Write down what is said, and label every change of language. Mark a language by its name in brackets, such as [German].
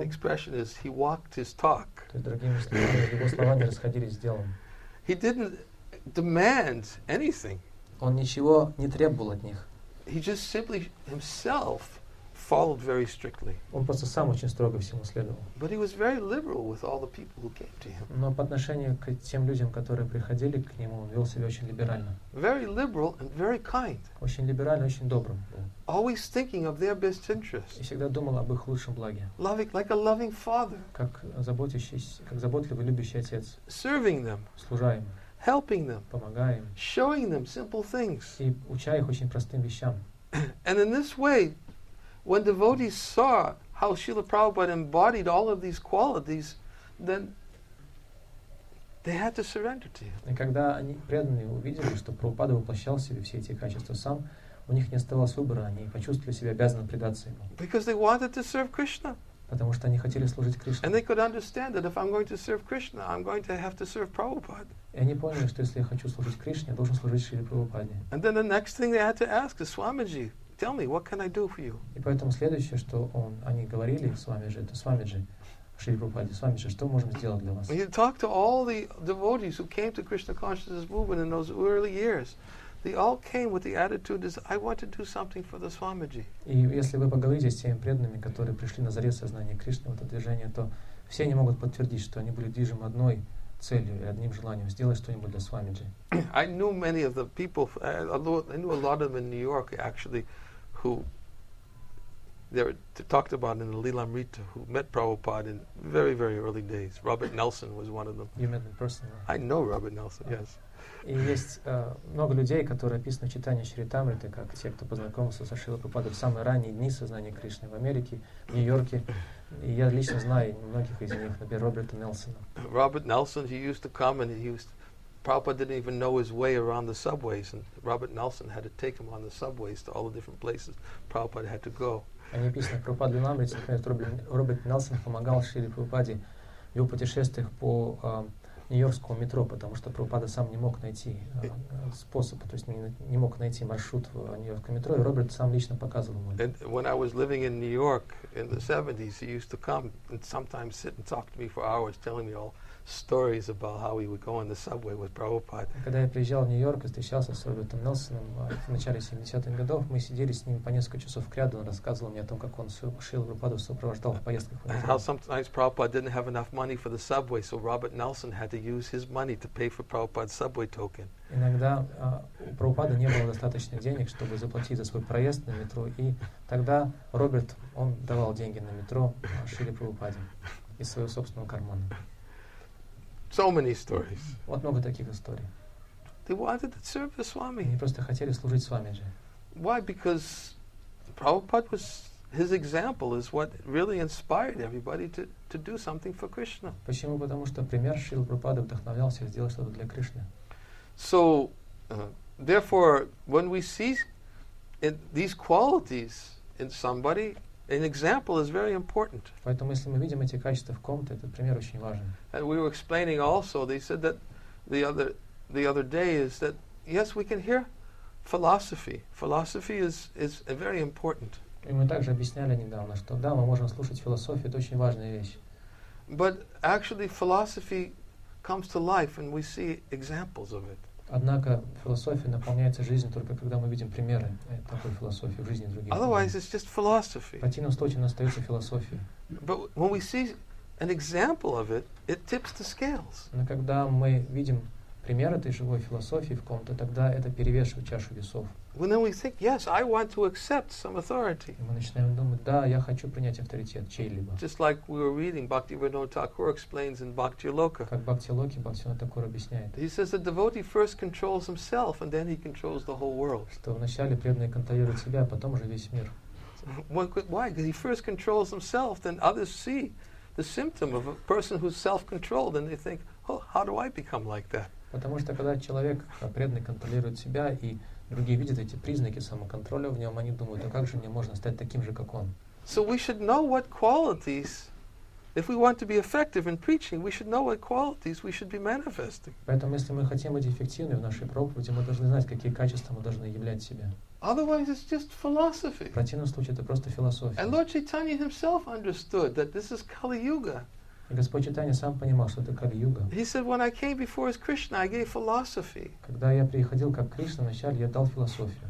[English] the expression is, he walked his talk. [Russian] То есть, другими словами, его слова не расходились с делом. [English] He didn't demand anything. [Russian] Он ничего не требовал от них. [English] He just simply himself followed very strictly. [Russian] Он просто сам очень строго всему следовал. [English] But he was very liberal with all the people who came to him. [Russian] Но по отношению к тем людям, которые приходили к нему, он вел себя очень либерально. [English] Very liberal and very kind. [Russian] Очень либерально, очень добрым. [English] Always thinking of their best interests. [Russian] И всегда думал об их лучшем благе. [English] Loving like a loving father. [Russian] Как заботливый любящий отец. [English] Serving them. [Russian] Служа им. [English] Helping them. [Russian] Помогая им. [English] Showing them simple things. [Russian] И уча их очень простым вещам. [English] And in this way, when devotees saw how Srila Prabhupada embodied all of these qualities, then they had to surrender to him. [Russian] И когда они преданные увидели, что Прабхупада воплощал в себе все эти качества сам, у них не оставалось выбора, они почувствовали себя обязаны предаться ему. [English] Because they wanted to serve Krishna. [Russian] Потому что они хотели служить Кришне. [English] And they could understand that if I'm going to serve Krishna, I'm going to have to serve Prabhupada. [Russian] И они поняли, что если я хочу служить Кришне, я должен служить Шриле Прабхупаде. [English] And then the next thing they had to ask is Swamiji. Tell me, what can I do for you? [Russian] И поэтому следующее, что они говорили с вами же, это с вами же, Шри Прабхупаде, с вами же, что можем сделать для вас? [English] When you talk to all the devotees who came to Krishna consciousness movement in those early years, they all came with the attitude is, I want to do something for the Swamiji. [Russian] И если вы поговорите с теми преданными, которые пришли на заре сознания Кришны в это движение, то все они могут подтвердить, что они были движимы одной целью и одним желанием сделать что-нибудь для Свамиджи. [English] I knew many of the people, I knew a lot of them in New York actually, who they talked about in the Leelamrita, who met Prabhupada in very, very early days. Robert Nelson was one of them. You met him personally? I know Robert Nelson, yes. [Russian] И есть много людей, которые описаны в читании Чаритамриты, как те, кто познакомился со Шрилой Прабхупадой в самые ранние дни сознания Кришны в Америке, в Нью-Йорке. И я лично знаю многих из них, например, Роберта Нелсона. [English] Robert Nelson, he used to come and Prabhupada didn't even know his way around the subways, and Robert Nelson had to take him on the subways to all the different places Prabhupada had to go. [Russian] Они писали, Прабхупада Линамрита, например, Роберт Нелсон помогал Шриле Прабхупаде в его путешествиях по Нью-Йоркскому метро, потому что Прабхупада сам не мог найти способ, то есть не мог найти маршрут в Нью-Йоркском метро, и Роберт сам лично показывал ему. [English] And when I was living in New York in the 70s, he used to come and sometimes sit and talk to me for hours, telling me all stories about how he would go on the subway with Prabhupada. [Russian] Когда я приезжал в Нью-Йорк и встречался с Робертом Нельсоном в начале 70-х годов, мы сидели с ним по несколько часов кряду, он рассказывал мне о том, как он Шрилу Прабхупаду сопровождал в поездках. [English] And how sometimes Prabhupada didn't have enough money for the subway, so Robert Nelson had to use his money to pay for Prabhupada's subway token. [Russian] Иногда у Прабхупады не было достаточно денег, чтобы заплатить за свой проезд на метро, и тогда Роберт, он давал деньги на метро Шриле Прабхупаде из своего собственного кармана. [English] So many stories. [Russian] Вот много таких историй. [English] They wanted to serve the Swami. [Russian] Они просто хотели служить Свамиджи. [English] Why? Because Prabhupada was his example is what really inspired everybody to do something for Krishna. [Russian] Почему? Потому что пример Шрилы Прабхупады вдохновлял всех сделать что-то для Кришны. [English] So, therefore, when we see these qualities in somebody, an example is very important. [Russian] Поэтому, если мы видим эти качества в ком-то, этот пример очень важен. [English] And we were explaining also. They said that the other day is that yes, we can hear philosophy. Philosophy is very important. [Russian] И мы также объясняли недавно, что да, мы можем слушать философию, это очень важная вещь. [English] But actually, philosophy comes to life, and we see examples of it. [Russian] Однако философия наполняется жизнью только когда мы видим примеры такой философии в жизни других. [English] Otherwise, it's just philosophy. [Russian] В противном случае она остается философией. [English] But when we see an example of it, it tips the scales. [Russian] Но когда мы видим пример этой живой философии в ком-то, тогда это перевешивает чашу весов. [English] When then we think, yes, I want to accept some authority. [Russian] И мы начинаем думать, да, я хочу принять авторитет чей-либо. [English] Just like we were reading, Bhaktivinoda Thakur explains in Bhakti Loka. [Russian] Как Бхакти Локи, Бхактивинода Такур объясняет. [English] He says that the devotee first controls himself, and then he controls the whole world. [Russian] Что вначале преданный контролирует себя, а потом уже весь мир. [English] Why? Because he first controls himself, then others see the symptom of a person who's self-controlled, and they think, oh, how do I become like that? [Russian] Потому что когда человек преданный контролирует себя и другие видят эти признаки самоконтроля в нем, они думают, а как же мне можно стать таким же, как он? [English] So we should know what qualities, if we want to be effective in preaching, we should know what qualities we should be manifesting. [Russian] Поэтому, если мы хотим быть эффективны в нашей проповеди, мы должны знать, какие качества мы должны являть себя. [English] Otherwise, it's just philosophy. [Russian] В противном случае, это просто философия. [English] And Lord Chaitanya himself understood that this is Kali Yuga. [Russian] И Господь Чайтанья сам понимал, что это Кали-юга. [English] He said, when I came before as Krishna, I gave philosophy. [Russian] Когда я приходил как Кришна, вначале я дал философию.